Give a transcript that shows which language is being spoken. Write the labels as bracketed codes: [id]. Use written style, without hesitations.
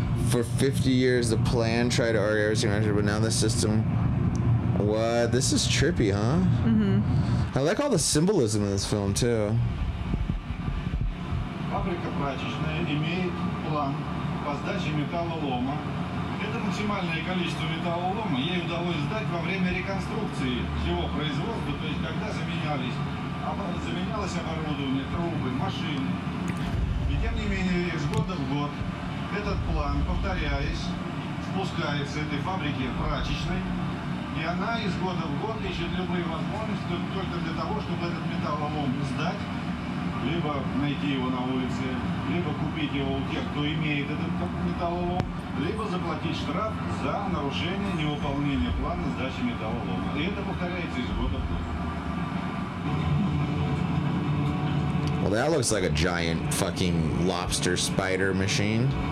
[en] For 50 years, the plan tried to argue everything, measure, but now the system. What? This is trippy, huh? Mm-hmm. I like all the symbolism in this film, too. [ru] Фабрика прачечная имеет план по сдаче металлолома. Это максимальное количество металлолома ей удалось сдать во время реконструкции всего производства, то есть когда заменялось оборудование, трубы, машины. И тем не менее, из года в год этот план, повторяясь, спускается с этой фабрики прачечной, и она из года в год ищет любые возможности только для того, чтобы этот металлолом сдать либо найти его на улице, либо купить его у тех, кто имеет этот металлолом, либо заплатить штраф за нарушение невыполнения плана сдачи металлолома. И это повторяется из года в год. [en] Well, that looks like a giant fucking lobster spider machine.